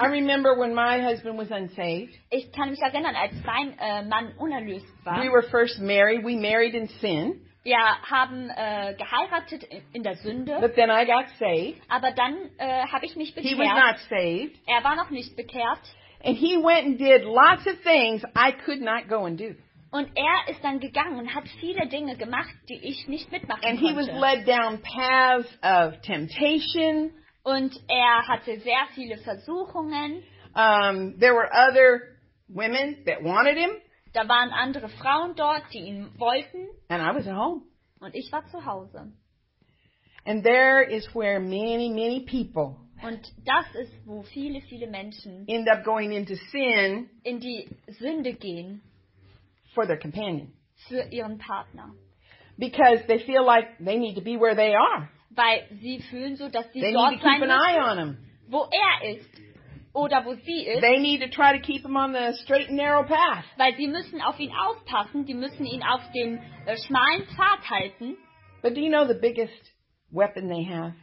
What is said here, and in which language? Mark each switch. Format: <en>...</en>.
<en>I remember when my husband was unsaved.</en> <de>Ich kann mich erinnern, als mein Mann unerlöst war.</de> <en>We were first married. We married in sin.</en> <de>Wir haben geheiratet in der Sünde.</de> <en>But then I got saved.</en> <de>Aber dann habe ich mich bekehrt.</de> <en>He was not saved.</en> <de>Er war noch nicht bekehrt.</de> <en>And he went and did lots of things I could not go and do.</en> <de>Und er ist dann gegangen und hat viele Dinge gemacht, die ich nicht mitmachen</de> <en>and</en> <de>konnte.</de> <en>And he was led down paths of temptation.</en> <de>Und er hatte sehr viele Versuchungen.</de> <en>There were other women that wanted him.</en> <de>Da waren andere Frauen dort, die ihn wollten.</de> <en>And I was at home.</en> <de>Und ich war zu Hause.</de> <en>And there is where many, many people</en> <de>und das ist, wo viele, viele Menschen</de> <en>end up going into sin</en> <de>in die Sünde gehen</de> <en>for their companion.</en> <de>Für ihren Partner.</de> <en>Because they feel like they need to be where they are.</en> <de>Weil sie fühlen so, dass sie dort sein müssen, wo er ist oder wo sie ist.</de> <en>They need to try to keep him on the straight and narrow path.</en> <de>Weil sie müssen auf ihn aufpassen, die müssen ihn auf den schmalen Pfad halten.</de> <en>But do you know the biggest weapon they have?</en>